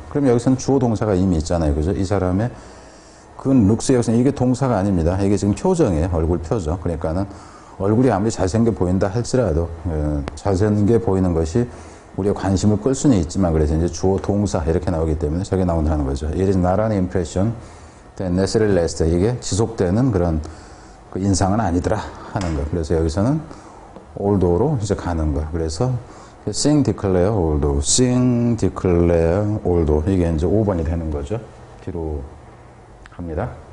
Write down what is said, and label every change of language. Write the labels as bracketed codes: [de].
[ko] 그럼 여기서는 주어 동사가 이미 있잖아요. 그죠? 이 사람의 good looks, 여기서는 이게 동사가 아닙니다. 이게 지금 표정이에요. 얼굴 표정. 그러니까는 얼굴이 아무리 잘생겨 보인다 할지라도, 잘생겨 보이는 것이 우리의 관심을 끌 수는 있지만, 그래서 이제 주어 동사 이렇게 나오기 때문에 저게 나온다는 거죠. [en] It is not an impression that necessarily lasts. [ko] 이게 지속되는 그런 그 인상은 아니더라 하는 거. 그래서 여기서는 although로 이제 가는 거. 그래서 sing declare although. sing declare although. 이게 이제 5번이 되는 거죠. 뒤로 갑니다.